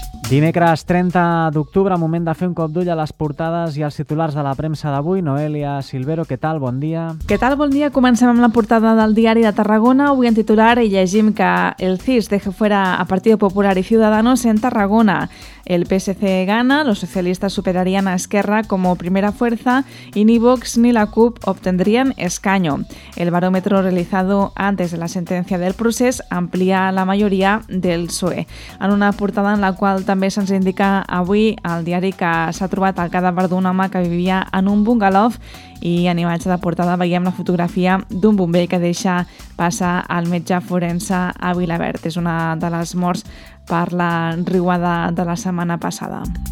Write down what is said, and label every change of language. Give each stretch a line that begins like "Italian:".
Catalan: Dimecres 30 d'octubre, moment de fer un cop d'ull a les portades i als titulars de la premsa d'avui. Noelia Silvero, què tal? Bon dia. Què tal? Bon dia. Comencem amb la portada del Diari de Tarragona. Avui en titular hi llegim que el CIS
Spanish: deja fuera a Partido Popular y Ciudadanos en Tarragona. El PSC gana, los socialistas superarían a Esquerra como primera fuerza y ni Vox ni la CUP obtendrían escaño. El barómetro realizado antes de la sentencia del procés amplía la mayoría del PSOE.
Catalan: En una portada en la cual també se'ns indica avui al diari que s'ha trobat el cadàver d'un home que vivia en un bungalow i en imatge de portada veiem la fotografia d'un bomber que deixa passar al metge forense a Vilaverd. És una de les morts per la riuada de la setmana passada.